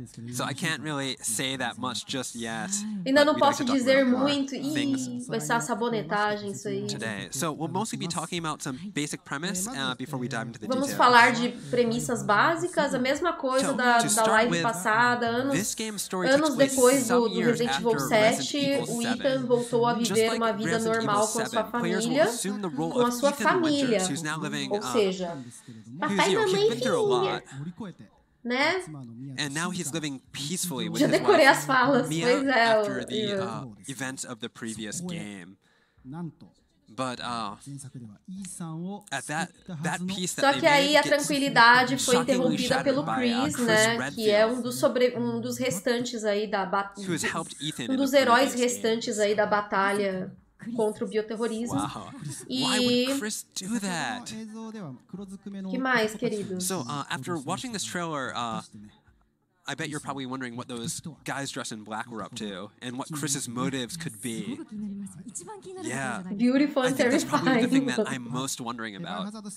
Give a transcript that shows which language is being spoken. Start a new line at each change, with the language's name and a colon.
English: So I can't really say that much just yet.
Portuguese: Ainda não posso dizer muito. Ih, vai ser uma sabonetagem isso aí.
English: Today. So we'll mostly be talking about some basic premise before we dive into the details.
Portuguese: Vamos falar de premissas básicas, a mesma coisa da live passada. Anos depois do Resident Evil 7, o Ethan voltou a viver uma vida normal com a sua família, ou seja, papai e mamãe, né?
English: And now he's living peacefully with
Portuguese: já decorei as falas,
English: Mia,
Portuguese: pois é.
English: After the events of the previous game. But, at that piece that
Portuguese: só que aí a tranquilidade foi interrompida pelo Chris, né? Que é um dos restantes aí da batalha. Um dos heróis restantes aí da batalha contra o bioterrorismo.
English: Why would Chris do that?
Portuguese: Que mais, querido?
English: So, after watching this trailer, I bet you're probably wondering what those guys dressed in black were up to and what Chris's motives could be. Yeah. Beautiful and terrifying. I think that's probably the thing that I'm most wondering about.